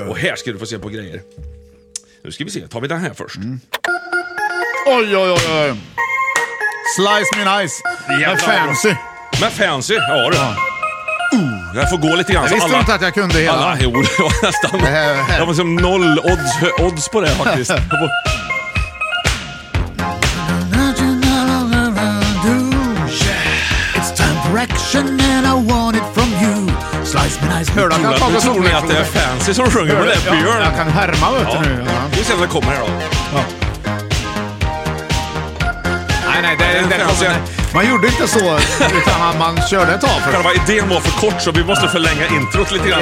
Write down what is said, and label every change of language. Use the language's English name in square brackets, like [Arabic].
[Swedish] Och här ska du få se på grejer. Nu ska vi se, tar vi den här först. Oj, oj, oj, oj. [English] Slice me nice. [Swedish] Jävlar. Med fancy. Med fancy, ja du. Ja. Jag får gå lite grann. Jag visste inte att jag kunde hela. Alla, jo, det var nästan. Jag var som noll odds på det faktiskt. [English] It's time for action and I want it from you. Slice [Swedish] Hör du att du tror att det är fancy som sjunger på det? Ja, jag kan härma ut nu. Vi ser om det kommer här då. Nej, det är man gjorde inte så utan man körde ett tag för. Själva idén var för kort så vi måste förlänga introt lite grann.